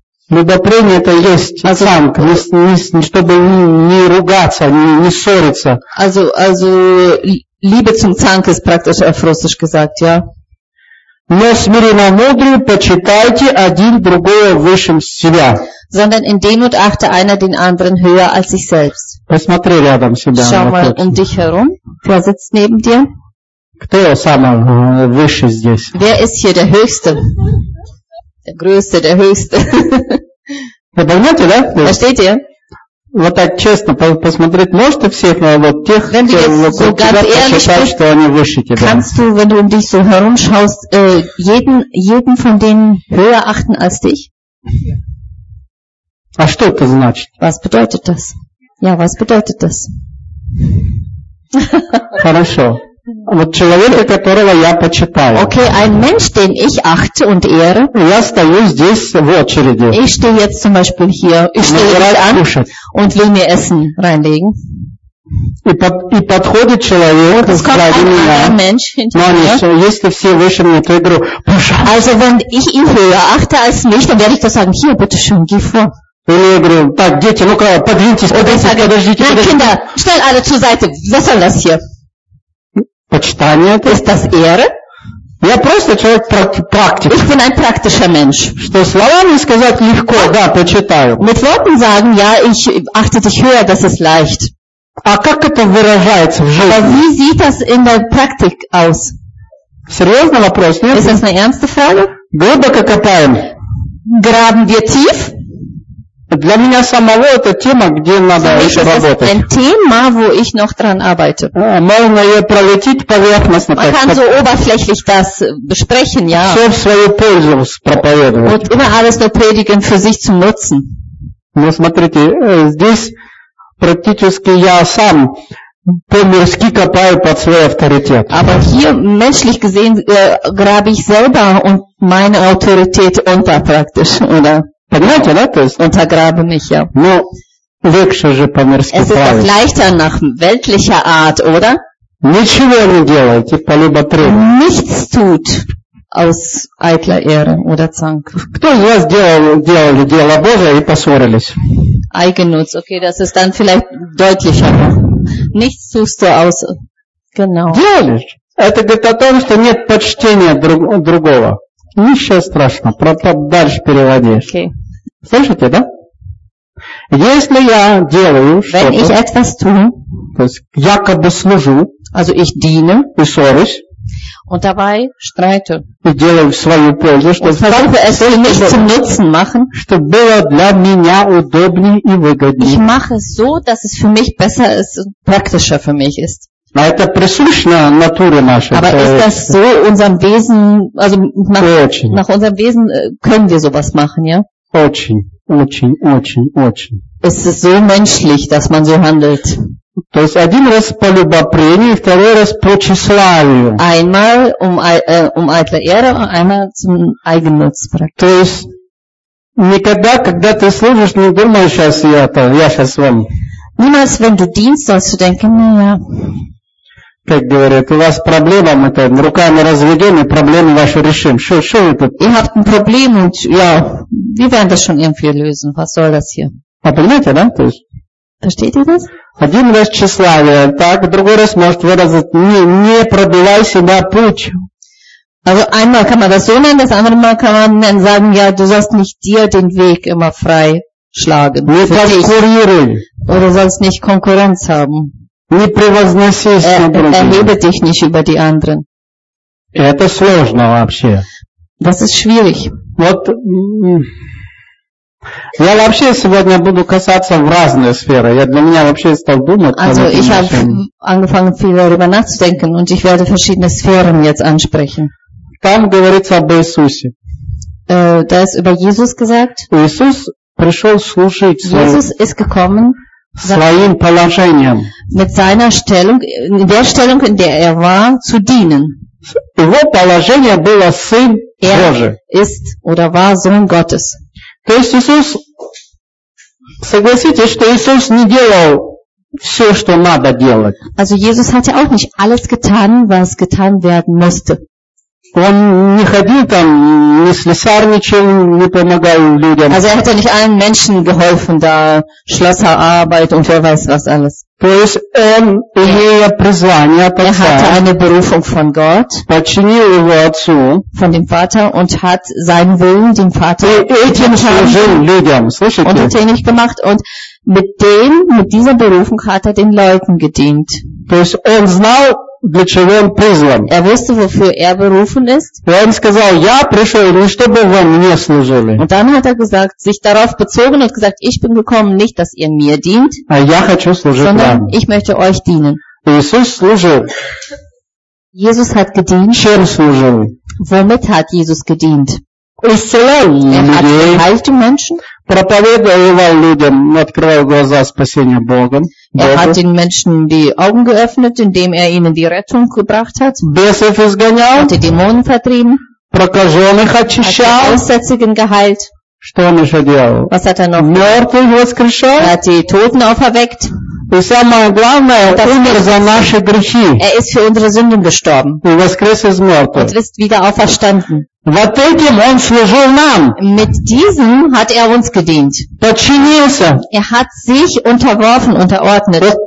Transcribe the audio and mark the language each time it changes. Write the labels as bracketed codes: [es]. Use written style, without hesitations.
[ru] Любопрение это есть цанк, чтобы не ругаться, не ссориться. [de] Also Liebe zum Zank ist praktisch auf Russisch gesagt, ja. [ru] Но смиренно мудрый почитайте один другого выше себя. [de] Sondern in Demut achte einer den anderen höher als sich selbst. [ru] Посмотри рядом себя. [de] Schau mal um dich herum. Wer sitzt neben dir? [ru] Кто самый высший здесь? [de] Wer ist hier der Höchste? Der Größte, der Höchste. [ru] Понимаете, да? [de] Versteht ihr? [ru] Вот так честно посмотреть, может ты всех, но вот тех, кто вокруг тебя посчитает, что они выше тебя. [de] Kannst du, wenn du um dich so herumschaust, jeden von denen höher achten als dich? [ru] А что это значит? [de] Was bedeutet das? Ja, was bedeutet das? [ru] Хорошо. Вот человека, которого я почитаю. [de] Okay, ein Mensch, den ich achte und ehre. [ru] Я стою здесь в очереди. [de] Ich stehe jetzt zum Beispiel hier. Ich stehe an und will mir Essen reinlegen. [ru] И подходит человек сзади меня. Но если все выше меня, то я говорю, пожалуйста. Или я говорю, так, дети, ну-ка, подвиньтесь, подождите. [de] Nein, Kinder, stell alle zur Seite. Was soll das hier? [ru] Почитание это? [de] Ist das Ehre? [ru] Я просто человек практик. [de] Ich bin ein praktischer Mensch. [ru] Что словами сказать легко, да, почитаю. [de] Mit Worten sagen, ja, ich achte dich höher, das ist leicht. [ru] А как это выражается в жизни? [de] Aber wie sieht das in der Praktik aus? [ru] Серьезный вопрос, нет? [de] Ist das eine ernste Frage? [ru] Глубоко копаем. [de] Graben wir tief? [ru] Для меня самого это тема, где надо еще работать. [de] Ein Thema, wo ich noch dran arbeite. [ru] Можно ее пролететь поверхностно. [de] Man kann so oberflächlich das besprechen, ja. [ru] Все в свою пользу проповедовать. [de] Und immer alles nur predigen für sich zum Nutzen. [ru] Ну, смотрите, здесь практически я сам по-мирски копаю под свой авторитет. [de] Aber hier, menschlich gesehen, grabe ich selber und meine Autorität unter praktisch, oder? [ru] Понимаете, да? То есть, [de] untergrabe mich, ja. [ru] Но легче же по-мирски править. [de] Es ist doch leichter nach weltlicher Art, oder? [ru] Ничего не делайте, по-либо требует. [de] Nichts tut aus eitler Ehre oder Zank. [ru] Кто из вас делали дело Божие и поссорились? [de] Eigennutz, okay, das ist dann vielleicht deutlicher. Nichts tust du aus... Genau. [ru] Делали. Это говорит о том, что нет почтения другого. Ничего страшного, просто дальше переводишь. [de] Okay. [ru] Слышите, да? Если я делаю [de] Wenn [ru] что-то, [de] ich etwas tue, [ru] то есть якобы служу, [de] also ich diene, [ru] и ссорюсь, [de] und dabei streite, [ru] и делаю свою пользу, чтобы было для меня удобнее и выгоднее. [de] Ich mache es so, dass es für mich besser ist, praktischer für mich ist. [ru] Но это присущно натуре нашей. [de] Aber ist das so unserem Wesen, also nach unserem Wesen können wir sowas machen, ja? [ru] Очень. [de] Es ist so menschlich, dass man so handelt. [ru] То есть один раз по любопрению, второй раз по тщеславию. [de] Einmal um eitler Ehre, einmal zum Eigennutz. [ru] То есть никогда, когда ты служишь, не думаешь, сейчас я сейчас вам. [de] Niemals, wenn du dienst, sollst du denken, naja. [ru] Как говорят, у вас проблема, мы там руками разведем и проблемы ваши решим. Что это? [de] Ihr habt ein Problem und ja, wir werden das schon irgendwie lösen. Was soll das hier? [ru] А понимаете, да? То есть, [de] Versteht ihr das? [ru] Один раз тщеславие, так, другой раз может выразить, не пробивай себя путь. [de] Also einmal kann man das so nennen, das andere Mal kann man dann sagen, ja, du sollst nicht dir den Weg immer frei schlagen. [ru] Не конкурируй. [de] Oder sollst nicht Konkurrenz haben. [ru] Не превозносись над другими. [de] Erhebe dich nicht über die anderen. [ru] Это сложно вообще. [de] Das ist schwierig. [ru] Вот, я вообще сегодня буду касаться в разные сферы. Я для меня вообще стал думать. [de] Also ich habe angefangen viel darüber nachzudenken und ich werde verschiedene Sphären jetzt ansprechen. [ru] Там говорится об Иисусе. [de] Da ist über Jesus gesagt. [ru] Иисус пришел служить. [de] Jesus ist gekommen. [ru] Своим положением. [de] Mit seiner Stellung, in der Stellung, in der er war, zu dienen. [ru] Его положение было Сын Божий. [de] Ist oder war Sohn Gottes. [ru] То есть Иисус, согласитесь, что Иисус не делал все, что надо делать. [de] Also Jesus hatte auch nicht alles getan, was getan werden musste. [ru] Он не ходил там, не слесарничал, не помогал людям. [de] Also er hat ja nicht allen Menschen geholfen, da Schlosserarbeit und wer weiß was alles. [ru] То есть он, имея призвание от Отца, [de] er hatte eine Berufung von Gott, [ru] подчинил его Отцу, [de] von dem Vater und hat seinen Willen dem Vater [ru] людям, слышите? [de] Und hat ihn nicht gemacht und mit dem, mit dieser Berufung hat den Leuten gedient. [ru] То есть он знал, для чего он призван. [de] Er wusste, wofür berufen ist. [ru] И он сказал, я пришел не чтобы вы мне служили. [de] Und dann hat gesagt, sich darauf bezogen und gesagt, ich bin gekommen, nicht, dass ihr mir dient, [ru] а я хочу служить [de] sondern [ru] вам. [de] Ich möchte euch dienen. [ru] Иисус служил. [de] Jesus hat gedient. [ru] Чем служил? [de] Womit hat Jesus gedient? [ru] Исцелял людей. [de] Er hat geheilte Menschen. [ru] проповедовал людям, открывал глаза спасения Богом. [de] Hat den Menschen die Augen geöffnet, indem ihnen die Rettung gebracht hat. [ru] Бесов изгонял. [de] Hat die Dämonen vertrieben. [ru] Прокаженных очищал. [de] Hat die Aussätzigen geheilt. [ru] Что он еще делал? [de] Was hat noch? [ru] Мертвых воскрешал. [de] Hat die Toten auferweckt. [ru] И самое главное, [de] das [ru] умер за наши грехи. [de] Ist für unsere Sünden gestorben. [ru] И воскрес из мертвых. [de] Und ist wieder auferstanden. [ru] Вот этим он служил нам. [de] Mit diesem hat uns gedient. [ru] Подчинился. [de] Hat sich unterworfen, unterordnet.